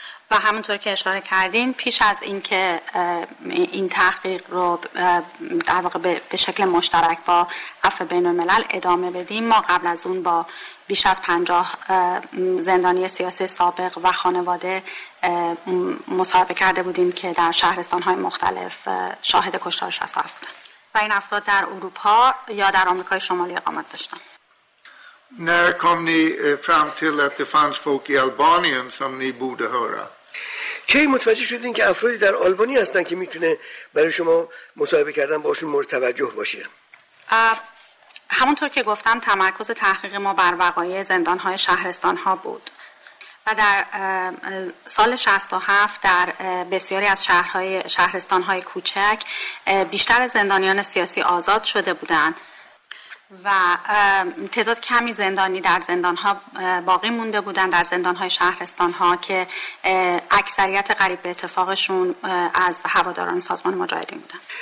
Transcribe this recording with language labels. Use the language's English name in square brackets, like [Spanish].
[Persian] و همونطور که اشاره کردین، پیش از این که این تحقیق رو در واقع به شکل مشترک با عفو بین‌الملل ادامه بدیم، ما قبل از اون با بیش از 50 زندانی سیاسی سابق و خانواده مصاحبه کرده بودیم که در شهرستان‌های مختلف شاهد کشتار 67 بودن و این افراد در اروپا یا در آمریکای شمالی اقامت داشتن. [Swedish] När kom ni fram till att det fanns folk i Albanien som ni borde höra? [Persian] کی متوجه شدین که افرادی در آلبانی هستن که میتونه برای شما مصاحبه کردن باشون مورد توجه باشه؟ همونطور که گفتم تمرکز تحقیق ما بر وقایع زندان‌های شهرستان‌ها بود و در سال 67 در بسیاری از شهرستان‌های کوچک بیشتر زندانیان سیاسی آزاد شده بودند و تعداد کمی زندانی در زندان‌ها باقی مونده بودند در زندان‌های شهرستان‌ها که اکثریت قریب به اتفاقشون از هواداران سازمان مجاهدین بودند.